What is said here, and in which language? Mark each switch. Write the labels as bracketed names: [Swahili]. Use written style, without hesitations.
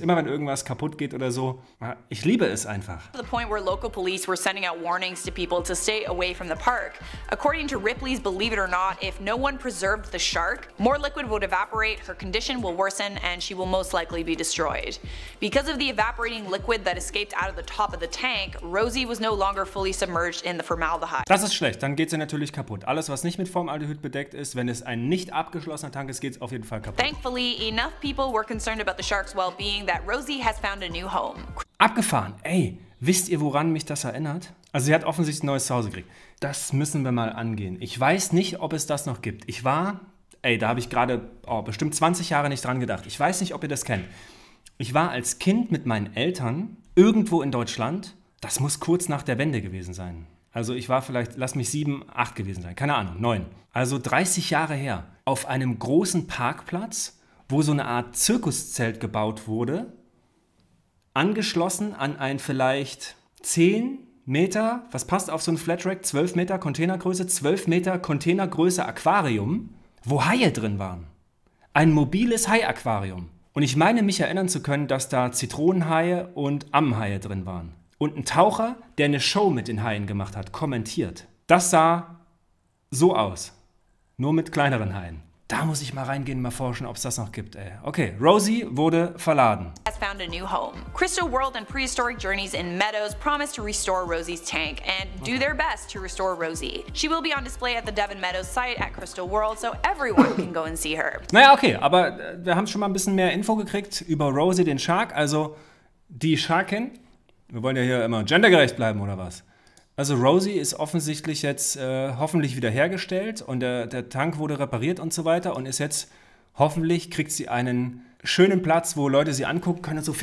[German] Immer wenn irgendwas kaputt geht oder so, ich liebe es einfach. [English] To the point where local police were sending out warnings to people to stay away from the park. According to Ripley's Believe It or Not, if no one preserved the shark, more liquid would evaporate, her condition will worsen, and she will most likely be destroyed. Because of the evaporating liquid that escaped out of the top of the tank, Rosie was no longer fully submerged in the formaldehyde. [German] Das ist schlecht. Dann geht sie natürlich kaputt. Alles, was nicht mit Formaldehyde bedeckt ist, wenn es ein nicht abgeschlossener Tank ist, geht es auf jeden Fall kaputt. [English] Thankfully, enough people were concerned about the shark's well-being that Rosie has found a new home. [German] Abgefahren. Ey, wisst ihr, woran mich das erinnert? Also sie hat offensichtlich ein neues Zuhause gekriegt. Das müssen wir mal angehen. Ich weiß nicht, ob es das noch gibt. Ich war, ey, da habe ich gerade bestimmt 20 Jahre nicht dran gedacht. Ich weiß nicht, ob ihr das kennt. Ich war als Kind mit meinen Eltern irgendwo in Deutschland. Das muss kurz nach der Wende gewesen sein. Also ich war vielleicht, lass mich 7, 8 gewesen sein, keine Ahnung, 9. Also 30 Jahre her, auf einem großen Parkplatz, wo so eine Art Zirkuszelt gebaut wurde, angeschlossen an ein vielleicht 10 Meter, was passt auf so ein Flatrack, 12 Meter Containergröße, 12 Meter Containergröße Aquarium, wo Haie drin waren. Ein mobiles Hai-Aquarium. Und ich meine mich erinnern zu können, dass da Zitronenhaie und Ammenhaie drin waren. Und ein Taucher, der eine Show mit den Haien gemacht hat, kommentiert. Das sah so aus. Nur mit kleineren Haien. Da muss ich mal reingehen, mal forschen, ob es das noch gibt, ey. Okay, Rosie wurde verladen. [English] Has found a new home. Crystal World and Prehistoric Journeys in Meadows promise to restore Rosie's tank and do their best to restore Rosie. She will be on display at the Devon Meadows site at Crystal World, so everyone can go and see her. [German] Naja, okay, aber wir haben schon mal ein bisschen mehr Info gekriegt über Rosie, den Shark, also die Sharkin. Wir wollen ja hier immer gendergerecht bleiben, oder was? Also Rosie ist offensichtlich jetzt hoffentlich wieder hergestellt und der Tank wurde repariert und so weiter und ist jetzt, hoffentlich kriegt sie einen schönen Platz, wo Leute sie angucken können und so.